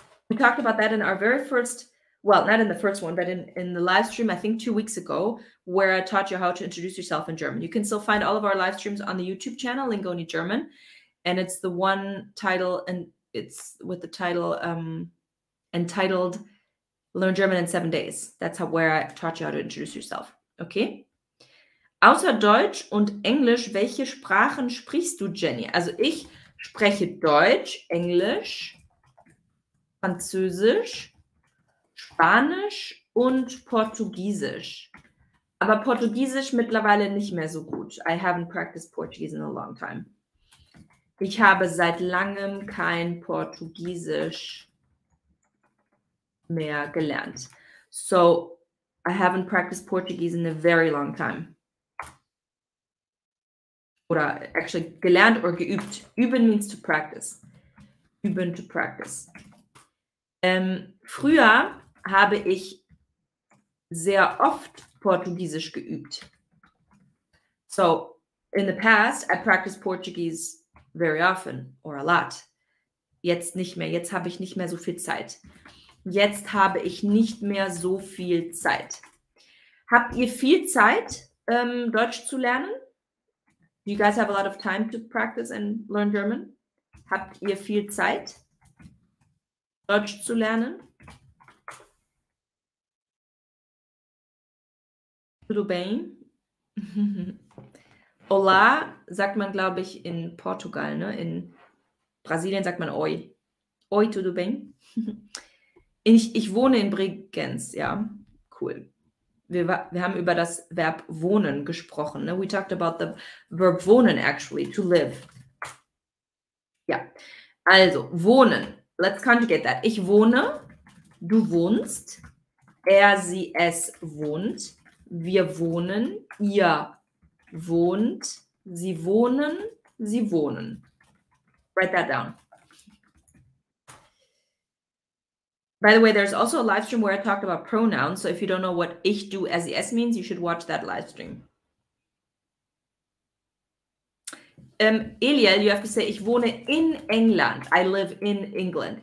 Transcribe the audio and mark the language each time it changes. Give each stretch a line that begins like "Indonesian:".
English: We talked about that in our very first, well, not in the first one, but in the live stream, I think 2 weeks ago, where I taught you how to introduce yourself in German. You can still find all of our live streams on the YouTube channel, Lingoni German, and it's the one title, and it's with the title entitled Learn German in 7 Days. That's how where I taught you how to introduce yourself, okay?
German: Außer Deutsch und Englisch, welche Sprachen sprichst du, Jenny? Also ich spreche Deutsch, Englisch, Französisch, Spanisch und Portugiesisch. Aber Portugiesisch mittlerweile nicht mehr so gut.
English: I haven't practiced Portuguese in a long time.
German: Ich habe seit langem kein Portugiesisch mehr gelernt.
English: So I haven't practiced Portuguese in a very long time.
German: Oder actually gelernt oder geübt. Üben
English: means to practice.
German: Üben
English: to practice.
German: Früher habe ich sehr oft Portugiesisch geübt.
English: So, in the past, I practiced Portuguese very often or a lot.
German: jetzt nicht mehr. Jetzt habe ich nicht mehr so viel Zeit. Jetzt habe ich nicht mehr so viel Zeit. Habt ihr viel Zeit, Deutsch zu lernen?
English: Do you guys have a lot of time to practice and learn German?
German: Habt ihr viel Zeit, Deutsch zu lernen?
Portuguese: Tudo bem? Olá,
German: sagt man, glaube ich, in Portugal. Ne? In Brasilien sagt man oi.
Portuguese: Oi, tudo bem?
German: Ich wohne in Bregenz, ja. Cool. Wir haben über das Verb wohnen gesprochen.
English: Ne? We talked about the verb wohnen, actually, to live.
German: Ja, also wohnen.
English: Let's conjugate that.
German: Ich wohne, du wohnst, er, sie, es wohnt, wir wohnen, ihr wohnt, sie wohnen, sie wohnen.
English: Write that down. By the way, there's also a live stream where I talked about pronouns. So if you don't know what ich, du, er, sie, es means, you should watch that live stream. Eliel, you have to say,
German: ich wohne in England.
English: I live in England.